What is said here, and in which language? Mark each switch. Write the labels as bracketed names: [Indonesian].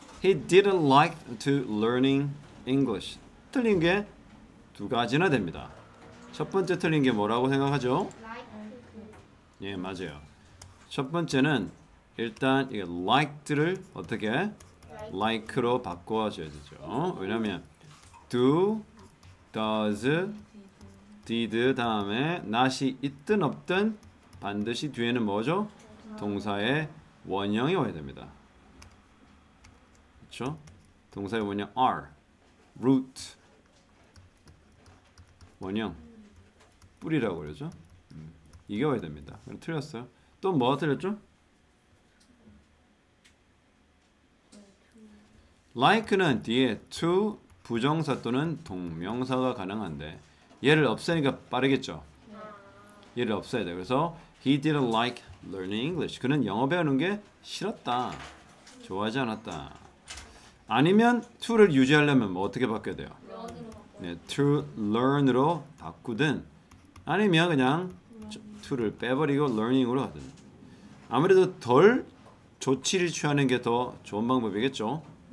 [English] He didn't like to learning English. [Korean] 틀린 게 두 가지나 됩니다. 첫 번째 틀린 게 뭐라고 생각하죠? [English] Like. [Korean] 예, 맞아요. 첫 번째는 일단 이게 liked를 어떻게 like로 바꿔줘야 되죠. 왜냐하면 do, does, did 다음에 not이 있든 없든 반드시 뒤에는 뭐죠? 동사의 원형이 와야 됩니다. 그렇죠? 동사의 원형 are, root, 원형, 뿌리라고 그러죠? 이게 와야 됩니다. 그럼 틀렸어요. 또 뭐가 틀렸죠? like는 뒤에 to 부정사 또는 동명사가 가능한데 얘를 없애니까 빠르겠죠? 얘를 없애야 돼. 그래서 [English] he didn't like learning English. [Korean] 그는 영어 배우는 게 싫었다. 좋아하지 않았다. 아니면 to를 유지하려면 뭐 어떻게 바뀌어야 돼요? 네, to learn으로 바꾸든 아니면 그냥 to를 빼버리고 learning으로 하든 아무래도 덜 조치를 취하는 게 더 좋은 방법이겠죠?